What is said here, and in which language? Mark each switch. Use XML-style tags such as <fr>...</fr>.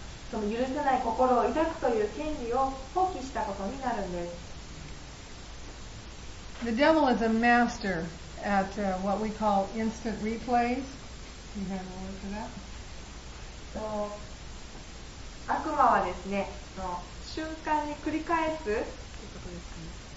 <ja>その許せない心を抱くという権利を放棄したことになるんです。</ja> <en>The devil is a master at what we call instant replays. You have a word for that?</en> <ja>そう、悪魔はですね、その瞬間に繰り返すということですかね。</ja>